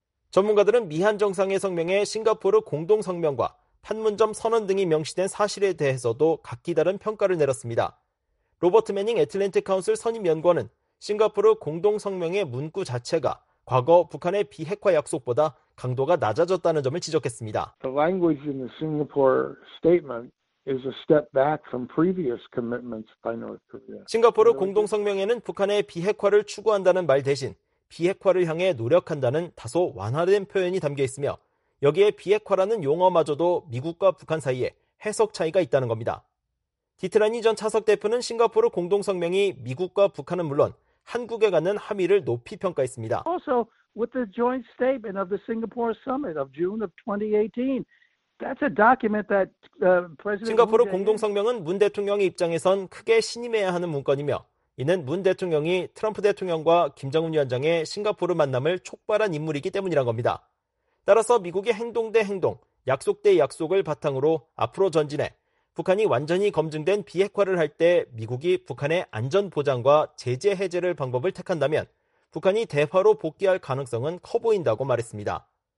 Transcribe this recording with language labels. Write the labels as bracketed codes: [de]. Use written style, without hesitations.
[ko] 전문가들은 미한 정상의 성명에 싱가포르 공동성명과 판문점 선언 등이 명시된 사실에 대해서도 각기 다른 평가를 내렸습니다. 로버트 매닝 애틀랜틱 카운슬 선임 연구원은 싱가포르 공동성명의 문구 자체가 과거 북한의 비핵화 약속보다 강도가 낮아졌다는 점을 지적했습니다. [en] The language in the Singapore statement is a step back from previous commitments by North Korea. [ko] 싱가포르 공동성명에는 북한의 비핵화를 추구한다는 말 대신 비핵화를 향해 노력한다는 다소 완화된 표현이 담겨 있으며 여기에 비핵화라는 용어마저도 미국과 북한 사이에 해석 차이가 있다는 겁니다. 디트라니 전 차석 대표는 싱가포르 공동성명이 미국과 북한은 물론 한국에 갖는 함의를 높이 평가했습니다. [en] Also, with the joint statement of the Singapore summit of June of 2018, that's a document that President [ko] 싱가포르 공동성명은 문 대통령의 입장에선 크게 신임해야 하는 문건이며 이는 문 대통령이 트럼프 대통령과 김정은 위원장의 싱가포르 만남을 촉발한 인물이기 때문이란 겁니다. 따라서 미국의 행동 대 행동, 약속 대 약속을 바탕으로 앞으로 전진해 북한이 완전히 검증된 비핵화를 할 때 미국이 북한의 안전 보장과 제재 해제를 방법을 택한다면 북한이 대화로 복귀할 가능성은 커 보인다고 말했습니다.